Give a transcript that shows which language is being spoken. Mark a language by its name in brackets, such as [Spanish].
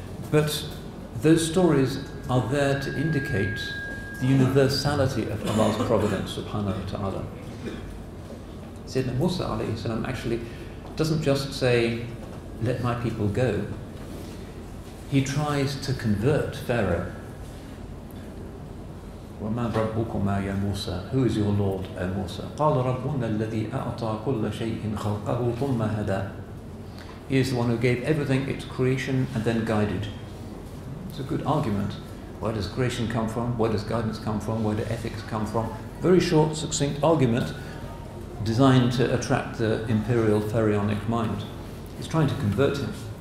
[English] But those stories are there to indicate the universality of Allah's providence, subhanahu wa ta'ala. Sayyidina Musa alayhi salam actually doesn't just say, let my people go. He tries to convert Pharaoh [Arabic] وما ربكما يا موسى؟ [English] Who is your Lord, O Musa? [Arabic] قال ربنا الذي أعطى كل شيء خلقه ثم هدى. [English] He is the one who gave everything its creation and then guided. It's a good argument. Where does creation come from? Where does guidance come from? Where do ethics come from? Very short, succinct argument designed to attract the imperial pharaonic mind. He's trying to convert him.